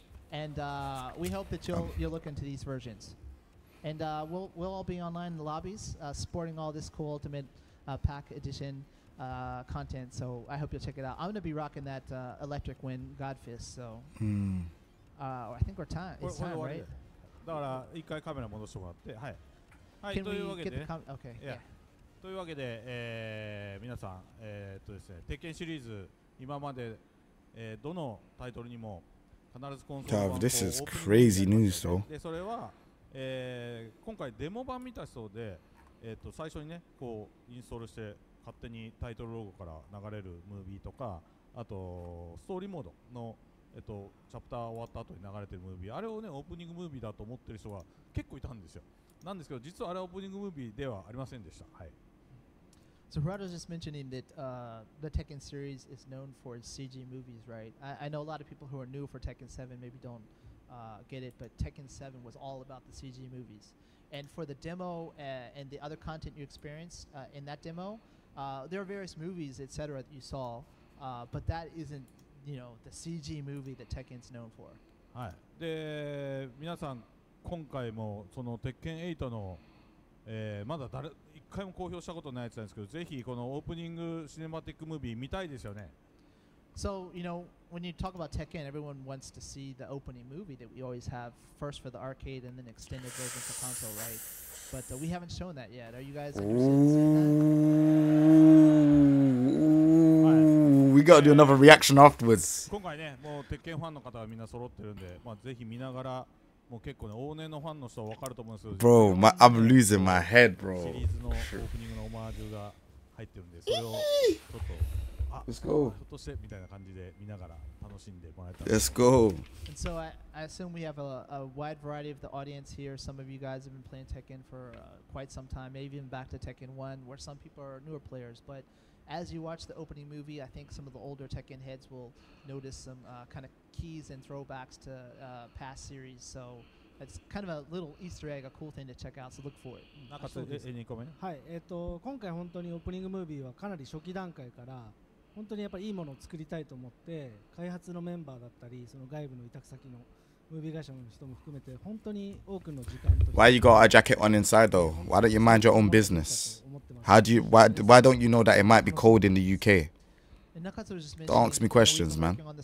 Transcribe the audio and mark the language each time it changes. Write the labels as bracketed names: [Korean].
[English] And we hope that you'll look into these versions. And we'll all be online in the lobbies supporting all this cool ultimate pack edition content. So I hope you'll check it out. I'm going to be rocking that electric wind god fist. So I think it's time, right? [Japanese] だから一回カメラ戻してもらって、はい。はい、というわけで、 [English] okay. Yeah. [Japanese] というわけで、皆さん、ですね、鉄拳シリーズ今まで、どのタイトルにも必ずコンソール版。 [English] This is crazy news, though. [Japanese] で、それは、今回デモ版見た人で、最初にね、こうインストールして勝手にタイトルロゴから流れるムービーとか、あとストーリーモードの。チャプター終わった後に流れてるムービー、あれをねオープニングムービーだと思ってる人が結構いたんですよ。なんですけど、実はあれはオープニングムービーではありませんでした。はい。 [English] So Hirata just mentioning that the Tekken series is known for CG movies, right? I know a lot of people who are new for Tekken 7 maybe don't get it, but Tekken 7 was all about the CG movies. And for the demo and the other content you experienced in that demo, there are various movies, etc. that you saw, but that isn'tYou know, the CG movie that Tekken's known for. [Japanese] はい。で、皆さん今回もその鉄拳8の、まだ誰一回も公表したことないやつなんですけど、ぜひこのオープニングシネマティックムービー見たいですよね。 [English] So you know, when you talk about Tekken, everyone wants to see the opening movie that we always have first for the arcade and then extended version for console, right? But we haven't shown that yet. Are you guys interested in that? We gotta do another reaction afterwards. [Japanese] 今回ね、もう鉄拳ファンの方がみんな揃ってるんで、まあぜひ見ながら、もう結構ね、往年のファンの人は分かると思うんですけど。 [English] Bro, I'm losing my head, bro. [Japanese] シリーズのオープニングのオマージュが入ってるんで、それをちょっと、あ、 [English] Let's go. [Japanese] ひょっとしてみたいな感じで見ながら楽しんでもらえたら。 [English] Let's go. And so I assume we have a wide variety of the audience here. Some of you guys have been playing Tekken for quite some time, maybe even back to Tekken 1, where some people are newer players, but As you watch the opening movie, I think some of the older Tekken heads will notice some kind of keys and throwbacks to past series. So it's kind of a little Easter egg, a cool thing to check out. So look for it. [Japanese] なんかそれで2個目ね。はい、今回本当にオープニングムービーはかなり初期段階から本当にやっぱりいいものを作りたいと思って開発のメンバーだったりその外部の委託先のムービー会社の人も含めて本当に多くの時間と。 [English] Why you got a jacket on inside though? Why don't you mind your own business? How do you, why don't you know that it might be cold in the UK? Don't ask me questions, man.